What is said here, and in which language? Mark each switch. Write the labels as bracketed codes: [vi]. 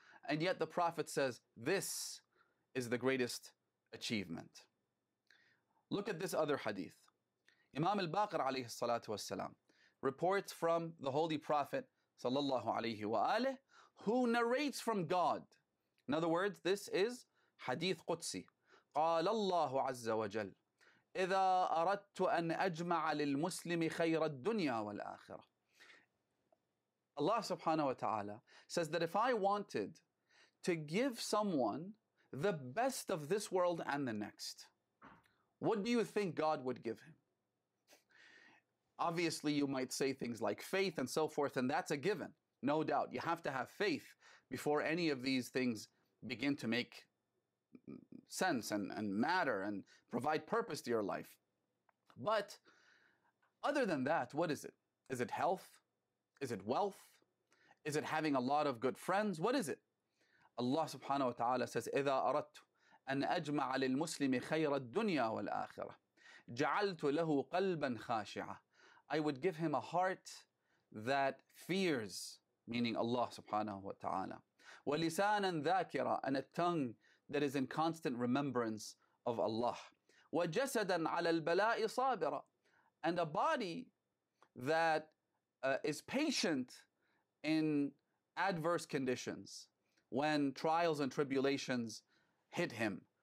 [en] And yet the Prophet says, this is the greatest achievement. Look at this other hadith. Imam al-Baqir alayhi salatu wasalam reports from the Holy Prophet sallallahu alayhi wa alayhi, who narrates from God. In other words, this is hadith Qudsi. [ar] قال الله عز وجل إذا أردت أن أجمع للمسلم خير الدنيا والآخرة. [en] Allah subhanahu wa ta'ala says that if I wanted to give someone the best of this world and the next, what do you think God would give him? Obviously, you might say things like faith and so forth, and that's a given. No doubt, you have to have faith before any of these things begin to make sense and matter and provide purpose to your life. But other than that, what is it? Is it health? Is it wealth? Is it having a lot of good friends? What is it? Allah subhanahu wa ta'ala says, [ar] إِذَا أَرَدْتُ أَنْ أَجْمَعَ لِلْمُسْلِمِ خَيْرَ الدُّنْيَا وَالْآخِرَةِ جَعَلْتُ لَهُ قَلْبًا خَاشِعًا. [en] I would give him a heart that fears, meaning Allah subhanahu wa ta'ala. [ar] وَلِسَانًا ذَاكِرًا, [en] and a tongue that is in constant remembrance of Allah. [ar] وَجَسَدًا عَلَى الْبَلَاءِ صَابِرًا, [en] and a body that is patient in adverse conditions when trials and tribulations hit him.